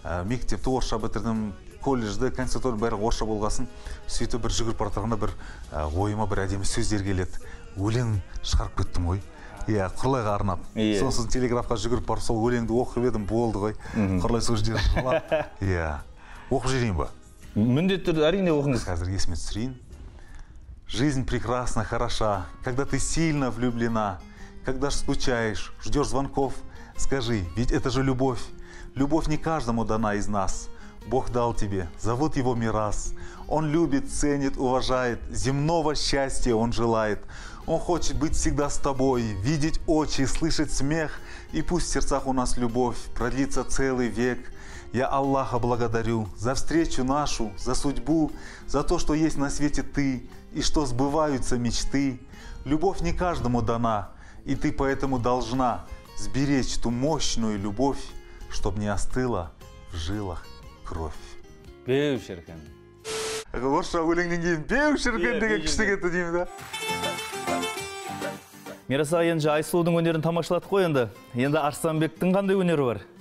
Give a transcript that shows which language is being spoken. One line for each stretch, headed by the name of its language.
Kazakh: Мектепті орысша бітірдім. Колледжді, консерваторияны бәрі орысша болғасын, сөйтіп бір жүгіріп бара тұрғанда бір ойыма бір әдемі сөздер келеді. Өлең шығарып кеттім ғой. Иә, Құралайға арнап. Сосын телеграфқа жүгіріп барып сол өлеңді оқып едім, болды ғой. Құралай сол жерде жылап. Иә. Оқып жіберейін ба? Міндетті түрде әрине оқыңыз. Қазір есіме түсірейін.
Russian: Жизнь прекрасна, хороша, когда ты сильно влюблена, когда скучаешь, ждёшь звонков, скажи, ведь это же любовь. Любовь не каждому дана из нас. Бог дал тебе, зовут его Мирас. Он любит, ценит, уважает, земного счастья он желает. Он хочет быть всегда с тобой, видеть очи, слышать смех. И пусть в сердцах у нас любовь продлится целый век. Я Аллаха благодарю за встречу нашу, за судьбу, за то, что есть на свете ты и что сбываются мечты. Любовь не каждому дана, и ты поэтому должна сберечь ту мощную любовь, чтоб не остыла в жилах кровь.
Kazakh: Беу, Шеркен.
Russian: Вот что, улыбненький, беу, Шеркен, ты как штык это дим, да?
Kazakh: Мираса, енді Айсұлудың өнерін тамашылатып қойынды. Енді Арсланбектің қандай өнері бар?